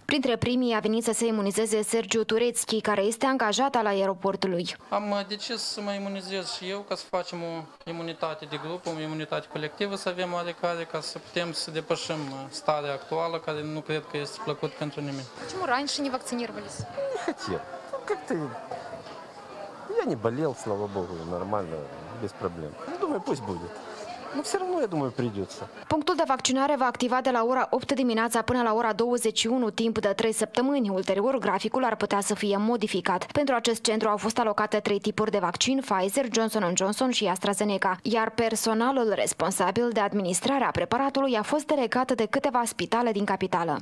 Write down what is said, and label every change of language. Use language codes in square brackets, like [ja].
[ro] Printre primii a venit să se imunizeze Sergiu Turețchi, care este angajat al aeroportului. Am decis să mă imunizez și eu ca să facem o imunitate de grup, o imunitate colectivă, să avem oarecare ca să putem să depășim starea actuală, care nu cred că este plăcut pentru nimeni. De ce mai înainte nu vaccinați? [ru] Я не болел, слава богу, нормально, без проблем. Думаю, пусть будет. Но все равно, я думаю, придется. [ro] Punctul de vaccinare va activa de la ora 8 dimineața până la ora 21, timp de 3 săptămâni. Ulterior, graficul ar putea să fie modificat. Pentru acest centru au fost alocate 3 tipuri de vaccin, Pfizer, Johnson & Johnson și AstraZeneca. Iar personalul responsabil de administrarea preparatului a fost delegat de câteva spitale din capitală.